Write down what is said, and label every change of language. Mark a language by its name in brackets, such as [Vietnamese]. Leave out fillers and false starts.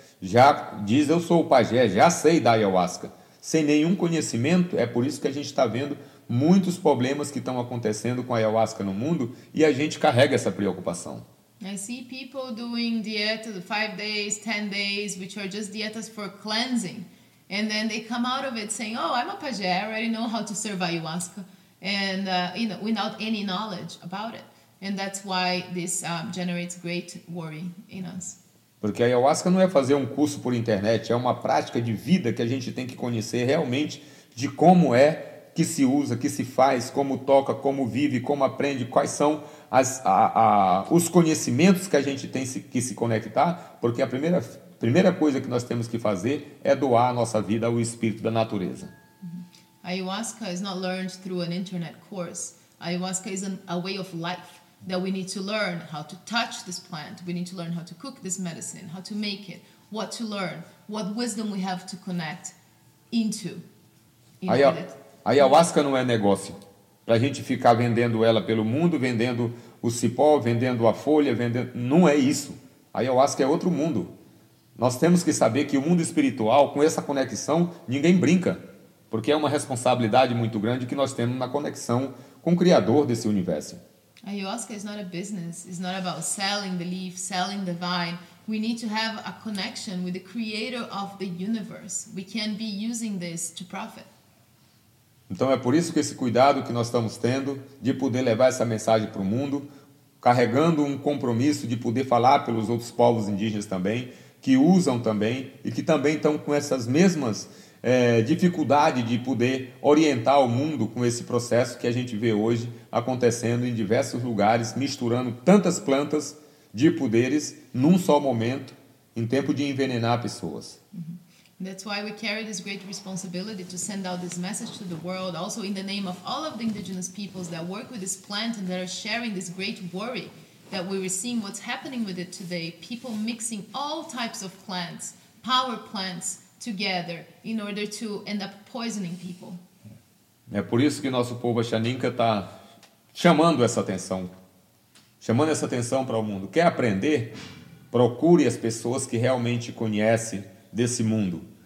[Portuguese] Já diz, eu sou o pajé, já sei da ayahuasca. Sem nenhum conhecimento, é por isso que a gente está vendo muitos problemas que estão acontecendo com a ayahuasca no mundo e a gente carrega essa preocupação. [English] I see people doing dietas 5 days, 10 days, which are just dietas for cleansing. And then they come out of it saying, oh, I'm a pajé, I already know how to serve ayahuasca. And, you know, without any knowledge about it. And that's why this generates great worry in us. [Portuguese] Porque a ayahuasca não é fazer um curso por internet, é uma prática de vida que a gente tem que conhecer realmente de como é que se usa, que se faz, como toca, como vive, como aprende, quais são os conhecimentos que a gente tem que se conectar, porque a primeira coisa que nós temos que fazer é doar a nossa vida ao espírito da natureza. Uhum. [English] Ayahuasca is not learned through an internet course. Ayahuasca is a way of life. That we need to learn how to touch this plant, we need to learn how to cook this medicine, how to make it, what to learn, what wisdom we have to connect into. [Portuguese] Ayahuasca não é negócio para a gente ficar vendendo ela pelo mundo, vendendo o cipó, vendendo a folha, vendendo. Não é isso. Ayahuasca é outro mundo. Nós temos que saber que o mundo espiritual, com essa conexão, ninguém brinca, porque é uma responsabilidade muito grande que nós temos na conexão com o Criador desse universo. [English] Ayahuasca is not a business. It's not about selling the leaf, selling the vine. We need to have a connection with the creator of the universe. We can't be using this to profit. [Portuguese] Então é por isso que esse cuidado que nós estamos tendo de poder levar essa mensagem para o mundo, carregando um compromisso de poder falar pelos outros povos indígenas também, que usam também e que também estão com essas mesmas dificuldade de poder orientar o mundo com esse processo que a gente vê hoje acontecendo em diversos lugares, misturando tantas plantas de poderes num só momento, em tempo de envenenar pessoas. Uhum. [English] That's why we carry this great responsibility to send out this message to the world, also in the name of all of the indigenous peoples that work with this plant and that are sharing this great worry that we're seeing what's happening with it today, people mixing all types of plants, power plants, together in order to end up poisoning people. [Portuguese] É por isso que nosso povo Xaninka está chamando essa atenção. Chamando essa atenção para o mundo. Quer aprender? Procure as pessoas que realmente conhecem desse mundo.